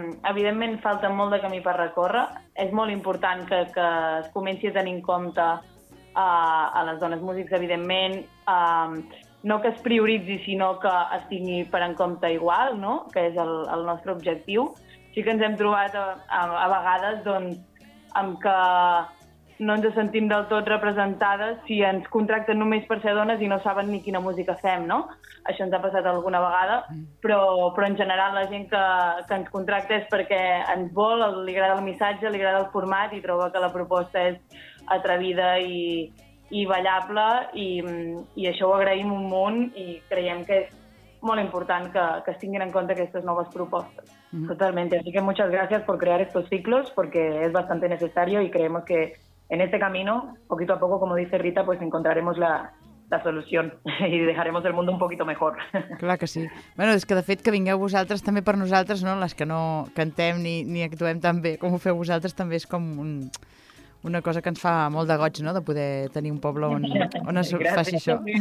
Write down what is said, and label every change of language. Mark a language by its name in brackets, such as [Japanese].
[Catalan] Evidentment falta molt de camí per recórrer. És molt important que es comenci a tenir en compte a les dones músics, evidentment... no que es prioritzi, sinó que es tingui per en compte igual, no? Que és el nostre objectiu. Sí que ens hem trobat a vegades doncs, amb que no ens sentim del tot representades si ens contracten només per ser dones i no saben ni quina música fem, no? Això ens ha passat alguna vegada, però en general la gent que ens contracta és perquè ens vol, li agrada el missatge, li agrada el format i troba que la proposta és atrevida i ballable, i això ho agraïm un munt i creiem que és molt important que es tinguin en compte aquestes noves propostes. [Spanish] Mm-hmm. Totalmente. Así que muchas gracias por crear estos ciclos, porque es bastante necesario y creemos que en ese camino, poquito a poco, como dice Rita, pues encontraremos la solución y dejaremos el mundo un poquito mejor. [Catalan] Clar que sí. Bueno, és que de fet que vingueu vosaltres també per nosaltres, no? Les que no cantem ni actuem tan bé com ho feu vosaltres, també és com una cosa que ens fa molt de goig, no? De poder tenir un poble on es faci això.